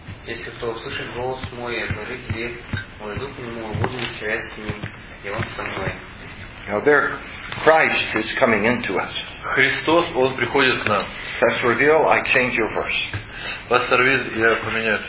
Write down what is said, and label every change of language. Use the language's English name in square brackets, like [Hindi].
[Russian] Если кто услышит голос мой, отворит дверь, войду к нему, буду чаять с ним, и он со мной. [English] Now there, Christ is coming into us. [Russian] Христос, Он приходит к нам. [English] Pastor Reveal, I change your verse. [Russian] Pastor Reveal, я поменяю.